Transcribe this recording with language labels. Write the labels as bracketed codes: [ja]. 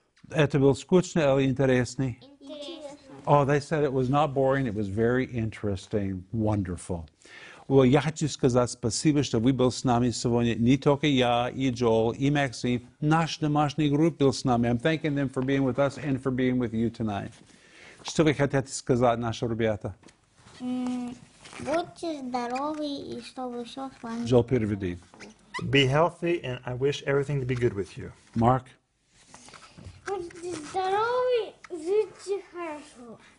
[ru] Это было скучно или интересно? [en] Oh, they said it was not boring. It was very interesting. Wonderful. [ru] Well, я хочу сказать спасибо, что вы были с нами сегодня. Не только я, и Джоэл, и Максим. Наш домашний групп был с нами. [en] I'm thanking them for being with us and for being with you tonight. [ru] Что вы хотите сказать, наши ребята? Будьте здоровы, и чтобы все с вами... Джоэл, переведи. [en] Be healthy, and I wish everything to be good with you. Mark? [ru] Будьте здоровы, живите хорошо.